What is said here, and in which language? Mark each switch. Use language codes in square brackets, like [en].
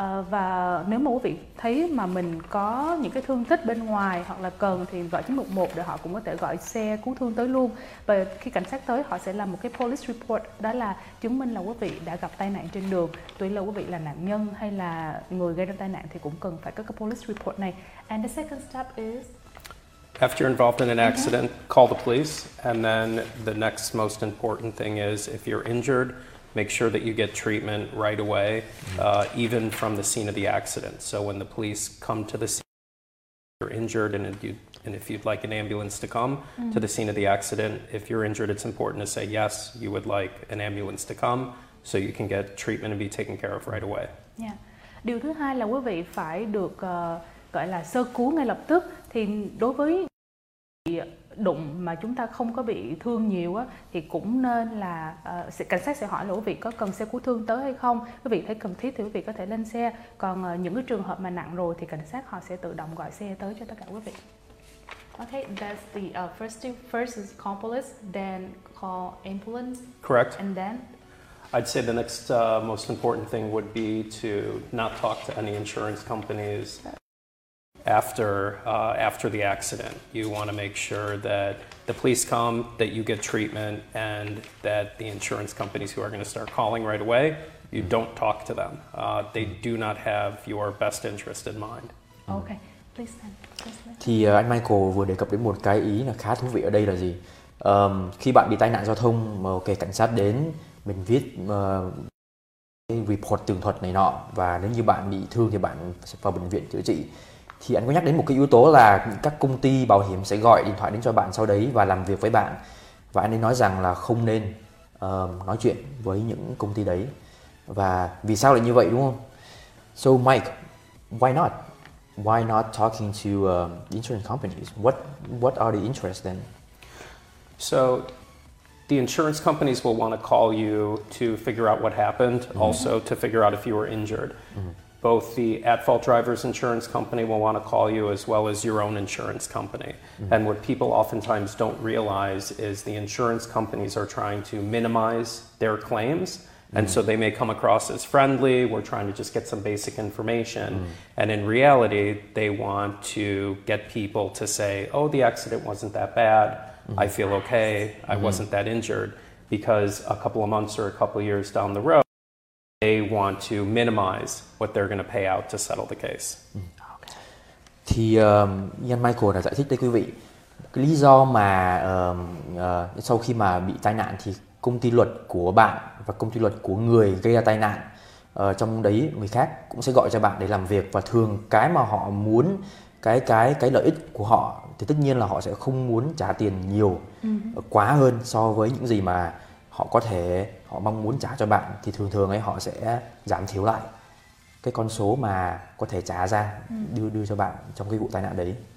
[vi] Và nếu mà quý vị thấy mà mình có những cái thương tích bên ngoài hoặc là cần thì gọi 911 để họ cũng có thể gọi xe cứu thương tới luôn. Và khi cảnh sát tới họ sẽ làm một cái police report, đó là chứng minh là quý vị đã gặp tai nạn trên đường. Tuy là quý vị là nạn nhân hay là người gây ra tai nạn thì cũng cần phải có cái police report này. [en] And the second step is? After you're involved in an accident, call the police. And then the next most important thing is if you're injured, make sure that you get treatment right away, even from the scene of the accident. So when the police come to the scene, you're injured, and if you'd like an ambulance to come to the scene of the accident, if you're injured, it's important to say, yes, you would like an ambulance to come so you can get treatment and be taken care of right away. Yeah. [vi] Điều thứ hai là quý vị phải được gọi là sơ cứu ngay lập tức. Thì đối với đụng mà chúng ta không có bị thương nhiều á, thì cũng nên là cảnh sát sẽ hỏi là quý vị có cần xe cứu thương tới hay không. Quý vị thấy cần thiết thì quý vị có thể lên xe. Còn những cái trường hợp mà nặng rồi thì cảnh sát họ sẽ tự động gọi xe tới cho tất cả quý vị. [en] Okay, that's the first step. First is call police, then call ambulance. Correct. And then? I'd say the next most important thing would be to not talk to any insurance companies after the accident. You want to make sure that the police come, that you get treatment, and that the insurance companies who are going to start calling right away, you don't talk to them. They do not have your best interest in mind. Okay, please then. [vi] Thì anh Michael vừa đề cập đến một cái ý là khá thú vị ở đây là gì? Khi bạn bị tai nạn giao thông mà okay, cảnh sát đến, mình viết report tường thuật này nọ, và nếu như bạn bị thương thì bạn sẽ vào bệnh viện chữa trị. thì anh có nhắc đến một cái yếu tố là các công ty bảo hiểm sẽ gọi điện thoại đến cho bạn sau đấy và làm việc với bạn, và anh ấy nói rằng là không nên nói chuyện với những công ty đấy. Và vì sao lại như vậy, đúng không? [en] So Mike, why not talking to insurance companies? What are the interests then? So the insurance companies will want to call you to figure out what happened, mm-hmm. also to figure out if you were injured. Mm-hmm. Both the at-fault driver's insurance company will want to call you, as well as your own insurance company. Mm-hmm. And what people oftentimes don't realize is the insurance companies are trying to minimize their claims. And mm. so they may come across as friendly, we're trying to just get some basic information. Mm. And in reality, they want to get people to say, oh, the accident wasn't that bad, mm. I feel okay, mm. I wasn't that injured. Because a couple of months or a couple of years down the road, they want to minimize what they're going to pay out to settle the case. Okay. [vi] Thì Ian Michael đã giải thích đây quý vị. Cái lý do mà sau khi mà bị tai nạn thì công ty luật của bạn và công ty luật của người gây ra tai nạn, trong đấy người khác cũng sẽ gọi cho bạn để làm việc, và thường cái mà họ muốn, cái lợi ích của họ thì tất nhiên là họ sẽ không muốn trả tiền nhiều, quá hơn so với những gì mà họ có thể, họ mong muốn trả cho bạn, thì thường thường ấy họ sẽ giảm thiểu lại cái con số mà có thể trả ra, đưa cho bạn trong cái vụ tai nạn đấy.